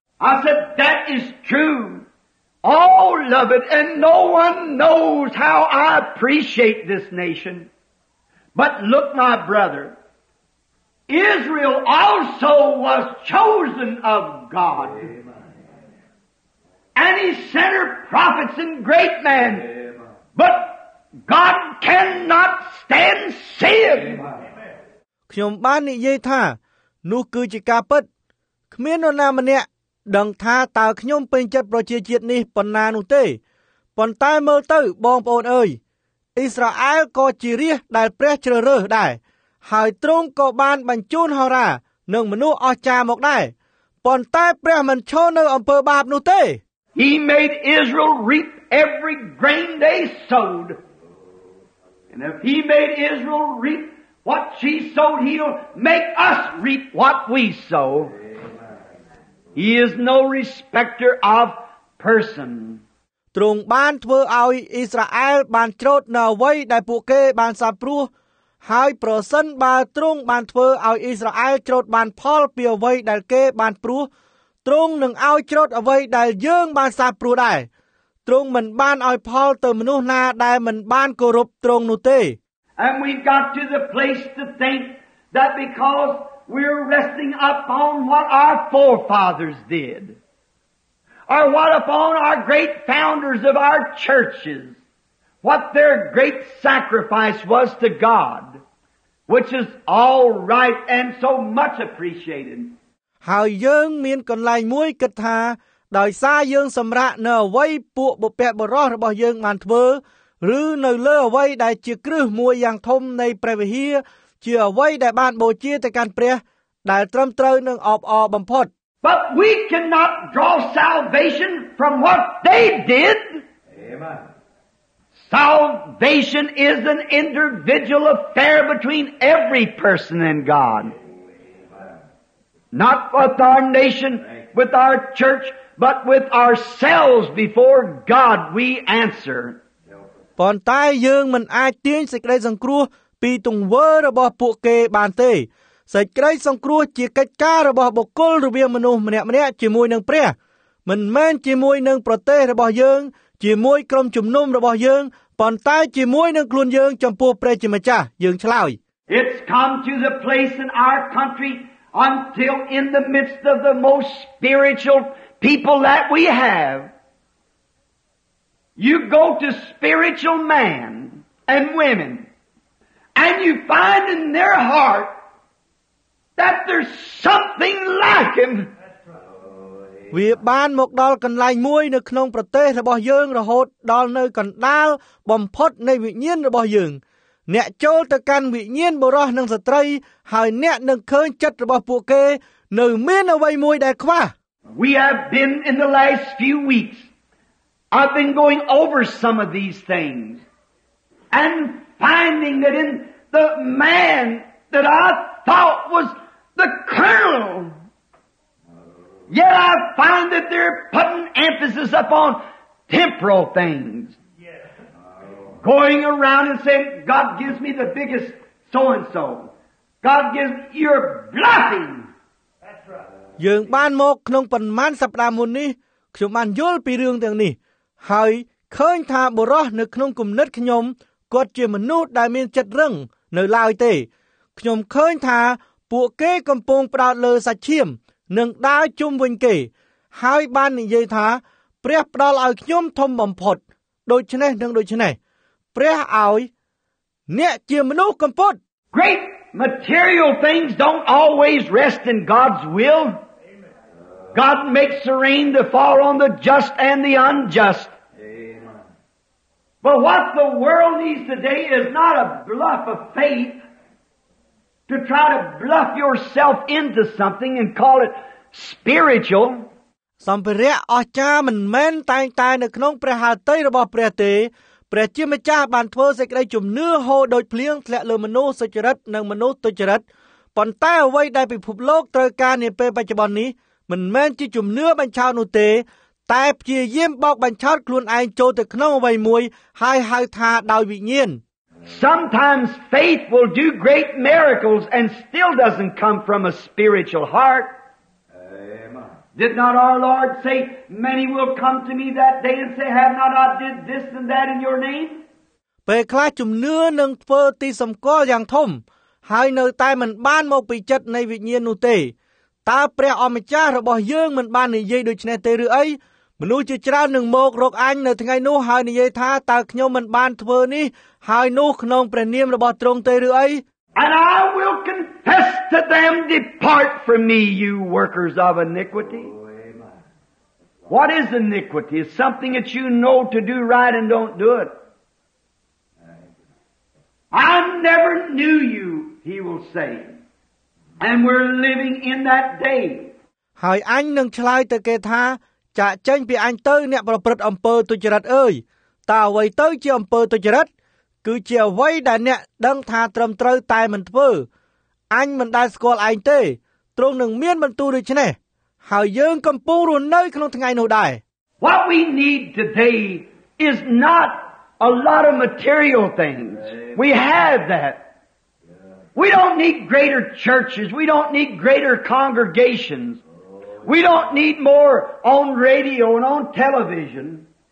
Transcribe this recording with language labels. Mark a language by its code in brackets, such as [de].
[en] I said that is true Oh love it and no one knows how I appreciate this nation But look my brother Israel also was chosen of God And he sent her prophets and great men But God cannot stand sin [km] ខ្ញុំបាននិយាយថានោះគឺជាការពិតគ្មាននរណាម្នាក់ដឹងថាតើខ្ញុំពេញចិត្តប្រជាជាតិនេះប៉ុណ្ណានោះទេប៉ុន្តែមើលទៅបងប្អូនអើយអ៊ីស្រាអែលក៏ជារាសដែលព្រះជ្រើសរើសដែរហើយទ្រង់ក៏បានបញ្ជូនហោរានិងមនុស្សអស្ចារ្យមកដែរប៉ុន្តែព្រះមិនឈរនៅអំពើបាបនោះទេ [en] He made Israel reap every grain they sowed and if he made Israel reap what she sowed he'll make us reap what we sow He is no respecter of person [km] ទ្រង់បានធ្វើឲ្យអ៊ីស្រាអែលបានច្រូតនៅអ្វីដែលពួកគេបានសាបព្រោះហើយប្រសិនបើទ្រង់បានធ្វើឲ្យអ៊ីស្រាអែលច្រូតបានផលពីអ្វីដែលគេបានព្រោះទ្រង់នឹងឲ្យច្រូតអ្វីដែលយើងបានសាបព្រោះដែរទ្រង់មិនបានឲ្យផលទៅមនុស្សណាដែលមិនបានគោរពទ្រង់នោះទេ [en] And we got to the place to think that because we're resting upon what our forefathers did or what upon our great founders of our churches what their great sacrifice was to God which is all right and so much appreciated [km] ហើយយើងមានកន្លែងមួយគិតថាដោយសារយើងសម្រាក់នៅអ្វីពួកបុព្វបុរសរបស់យើងបានធ្វើឬនៅលើអ្វីដែលជាគ្រឹះមួយយ៉ាងធំនៃព្រះវិហារជាអ្វីដែលបានបូជាទៅកាន់ព្រះដែលត្រឹមត្រូវនឹងអបអរបំផុត [en] But we cannot draw salvation from what they did Amen Salvation is an individual affair between every person and God. Not with our nation, with our church, but with ourselves before God we answer. [km] ប៉ុន្តែយើងមិនអាចទាញសេចក្តីសង្គ្រោះពីទង្វើរបស់ពួកគេបានទេ សេចក្តីសង្គ្រោះជាកិច្ចការរបស់បុគ្គលរវាងមនុស្សម្នាក់ៗជាមួយនឹងព្រះ មិនមែនជាមួយនឹងប្រទេសរបស់យើងជាមួយក្រុមជំនុំរបស់យើងប៉ុន្តែជាមួយនឹងខ្លួនយើងចំពោះព្រះជាម្ចាស់យើងឆ្លើយ [en] It's come to the place in our country until in the midst of the most spiritual people that we have you go to spiritual man and women and you find in their heart that there's something lacking [km] វាបានមកដល់កន្លែងមួយនៅក្នុងប្រទេសរបស់យើងរហូតដល់នៅកណ្ដាលបំផុតនៃវិញ្ញាណរបស់យើងអ្នកចូលទៅកាន់វិញ្ញាណបុរសនិងស្ត្រីហើយអ្នកនឹងឃើញចិត្តរបស់ពួកគេនៅមានអ្វីមួយដែលខ្វះ [en] We have been in the last few weeks I've been going over some of these things and finding that in the man that I thought was the kernel Yet I find that they're putting emphasis upon temporal things. Yes. Going around and saying, God gives me the biggest so-and-so. God gives me your blessing. That's right. [km] យើងបានមកក្នុងប៉ុន្មានសប្តាហ៍មុននេះខ្ញុំបានយល់ពីរឿងទាំងនេះហើយឃើញថាបុរសនៅក្នុងគំនិតខ្ញុំគាត់ជាមនុស្សដែលមានចិត្តរឹងនៅឡើយទេខ្ញុំឃើញថាពួកគេកំពុងផ្ដោតលើសាច់ឈាមនឹងដើរជុំវិញគេហើយបាននិយាយថាព្រះផ្ដល់ឲ្យខ្ញុំធំបំផុតដូច្នេះនឹងដូច្នេះព្រះឲ្យអ្នកជាមនុស្សកំពត់ [en] Great material things don't always rest in God's will God makes rain to fall on the just and the unjust Amen But what the world needs today is not a bluff of faith to try to bluff yourself into something and call it spiritual. [km] សម្ភារៈអស្ចារ្យមិនមែនតែងតែនៅក្នុងព្រះហឫទ័យរបស់ព្រះទេព្រះជាម្ចាស់បានធ្វើសេចក្តីជំនឿហូរដូចភ្លៀងធ្លាក់លើមនុស្សសុចរិតនិងមនុស្សទុច្ចរិតប៉ុន្តែអ្វីដែលពិភពលោកត្រូវការនាពេលបច្ចុប្បន្ននេះមិនមែនជាជំនឿបញ្ឆោតនោះទេតែព្យាយាមបោកបញ្ឆោតខ្លួនឯងចូលទៅក្នុងអ្វីមួយហើយហៅថាដោយវិញ្ញាណ [en] Sometimes faith will do great miracles and still doesn't come from a spiritual heart. Did not our Lord say, many will come to me that day and say, have not I did this and that in your name? [km] ពេលខ្លះជំនឿនឹងធ្វើទីសម្គាល់យ៉ាងធំហើយនៅតែមិនបានមកពីចិត្តនៃវិញ្ញាណនោះទេតើព្រះអម្ចាស់របស់យើងមិនបាននិយាយដូច្នេះទេឬអីមនុស្សជាច្រើននឹងមករកអញនៅថ្ងៃនោះហើយនិយាយថាតើខ្ញុំមិនបានធ្វើនេះហើយនោះក្នុងព្រះនាមរបស់ទ្រង់ទេឬអី [en] And I will confess to them, depart from me, you workers of iniquity. What is iniquity? It's something that you know to do right and don't do it. I never knew you, he will say. And we're living in that day. [km] ហើយអញនឹងឆ្លើយទៅគេថាចាកចេញពីអញទៅអ្នកប្រព្រឹត្តអំពើទុច្ចរិតអើយតើអ្វីទៅជាអំពើទុច្ចរិតគឺជាអ្វីដែលអ្នកដឹងថាត្រឹមត្រូវតែមិនធ្វើអញមិនដែលស្គាល់ឯងទេត្រង់នឹងមានបន្ទូលដូច្នេះហើយយើងកំពុងរស់នៅក្នុងថ្ងៃនោះដែរ [en] What we need today is not a lot of material things. We have that. We don't need greater churches. We don't need greater congregations. We don't need more on radio and on television.